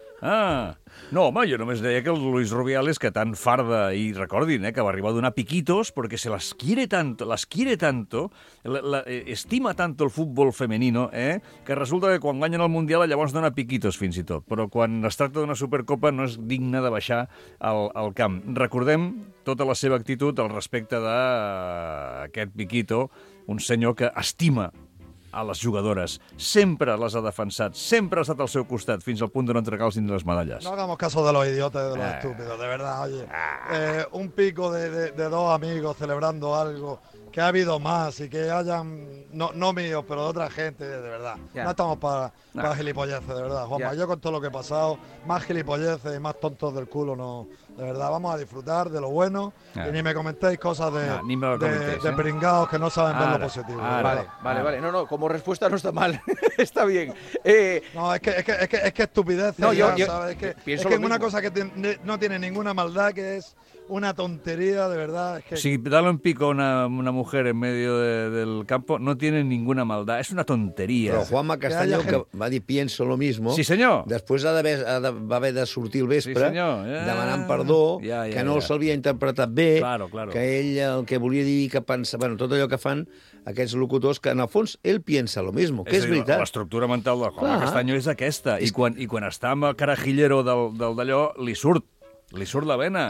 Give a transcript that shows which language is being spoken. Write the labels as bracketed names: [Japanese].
[Catalan] Ah, no, home, jo només deia que el Luis Rubiales, que tan farda, i recordin, que va arribar a donar piquitos, perquè [Spanish] se las quiere tanto, [Catalan] estima tanto el futbol femenino, que resulta que quan guanyen el Mundial llavors dona piquitos, fins i tot. Però quan es tracta d'una Supercopa no és digne de baixar al camp. Recordem tota la seva actitud al respecte d'aquest piquito, un senyor que estima a les jugadores. Sempre les ha defensat, sempre ha estat al seu costat, fins al punt de no entregar-los ni les medalles. [Spanish] No hagamos caso de los idiotas y de los estúpidos, de verdad, oye. Un pico de dos amigos celebrando algo que ha habido más y que hayan, no míos, pero de otra gente, de verdad. Yeah. No estamos para gilipolleces, de verdad, Juanma. Yeah. Yo con todo lo que he pasado, más gilipolleces y más tontos del culo, no... De verdad, vamos a disfrutar de lo bueno y ni me comentéis cosas de pringados que no saben ver lo positivo. Vale. No, como respuesta no está mal. Está bien. No, es que estupidez. No, es que es una cosa que no tiene ninguna maldad, que es una tontería, de verdad. Es que... Si dale un pico a una mujer en medio del campo, no tiene ninguna maldad. Es una tontería. [Catalan] Però Juanma Castaño, que va dir, [Spanish] pienso lo mismo. [Catalan] Sí, senyor. Després va haver de sortir el vespre, sí, demanant perdó, que no se'l havia interpretat bé, [Spanish] claro. [Catalan] Que ell el que volia dir que pensa... Bueno, tot allò que fan aquests locutors, que en el fons ell [Spanish] piensa lo mismo, [Catalan] que és veritat. L'estructura mental de Juanma Castaño és aquesta. I quan està amb el carajillero del d'allò, li surt la vena.